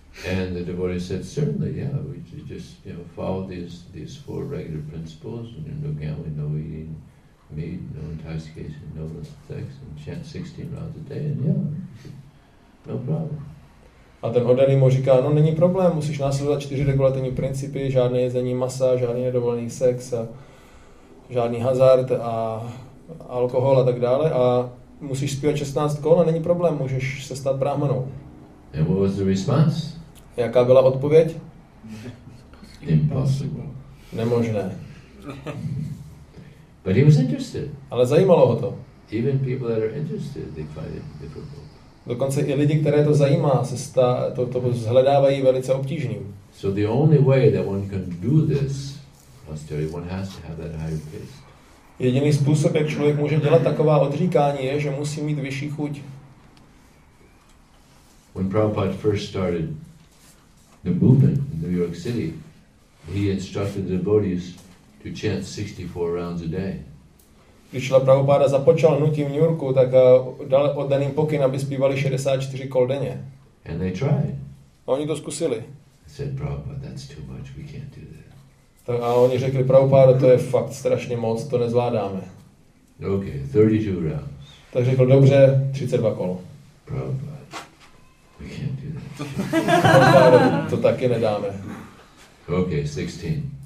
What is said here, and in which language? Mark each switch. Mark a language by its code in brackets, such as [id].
[en] And the devotee said, certainly, yeah, we just, you know, follow these four regular principles, and no gambling, no eating, meat, no intoxication, no sex, and chant 16 rounds a day, and yeah, no problem. [cs] A ten oddaný mu říká, no není problém, musíš následovat 4 regulativní principy, žádné jezení masa, žádný nedovolený sex, a žádný hazard a alkohol a tak dále, a musíš zpívat 16 kol a není problém, můžeš se stát brahmanou. [en] And what was the response? [cs] Jaká byla odpověď? [en] Impossible. [cs] Nemožné. [en] But he was interested. [cs] Ale zajímalo ho to. [en] Even people that are interested, they find it difficult. [cs] Dokonce i lidi, které to zajímá, to shledávají velice obtížným. [en] So the only way that one can do this, austerity, one has to have that higher taste. [cs] Jediný způsob, jak člověk může dělat taková odříkání, je, že musí mít vyšší chuť. [en] When Prabhupada first started the movement in New York City, he instructed the devotees to chant 64 rounds a day. [cs] Když Šíla Prabhupáda započal hnutí v New Yorku, tak dal oddaným pokyn, aby zpívali 64 kol denně. [en] And they tried. [cs] A oni to zkusili. [en] I said, Prabhupada, that's too much, we can't do that. [cs] Tak a oni řekli, Prabhupáda, to je fakt strašně moc, to nezvládáme. [en] Okay, 32 rounds. [cs] Tak řekl, dobře, 32 kol. [en] Prabhupada, we can't do that. Prabhupáda, [cs] to taky nedáme. [en] Okay, 16.